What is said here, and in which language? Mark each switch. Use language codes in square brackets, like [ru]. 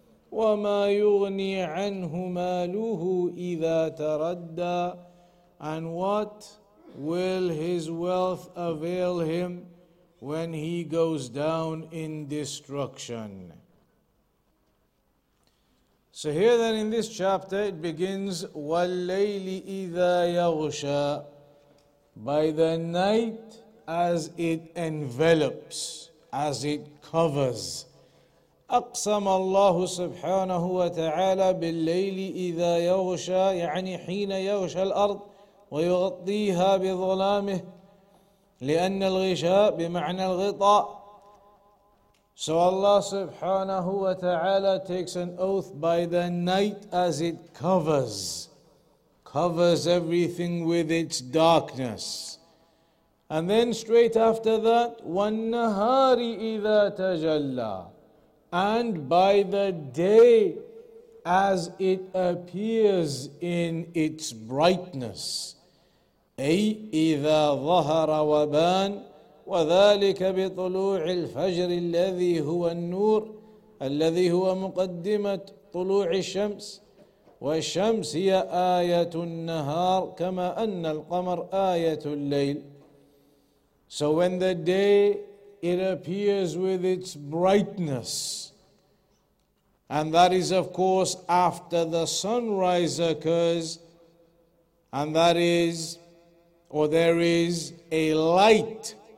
[ar] وَمَا يُغْنِي عَنْهُ مَالُهُ إِذَا تَرَدَّى, [en] and what will his wealth avail him when he goes down in destruction? So here then in this chapter it begins, [ar] وَاللَّيْلِ إِذَا يَغْشَى, [en] by the night as it envelops, as it covers. [ar] أَقْسَمَ اللَّهُ سُبْحَانَهُ وَتَعَالَى بِاللَّيْلِ إِذَا يَغْشَى, يعني حين يغشى الأرض ويغطيها بظلامه, لأن الغشاء بمعنى الغطاء. [en] So Allah subhanahu wa ta'ala takes an oath, by the night as it covers everything with its darkness. And then straight after that, [ar] وَالنَّهَارِ إِذَا تَجَلَّى, [en] and by the day as it appears in its brightness. [ar] أي إذا ظهر وبان, وذلك بطلوع الفجر الذي هو النور الذي هو مقدمة طلوع الشمس, والشمس هي آية النهار كما أن القمر آية الليل. [en] So when the day it appears with its brightness, And that is, of course, after the sunrise occurs. And that is, or there is a light.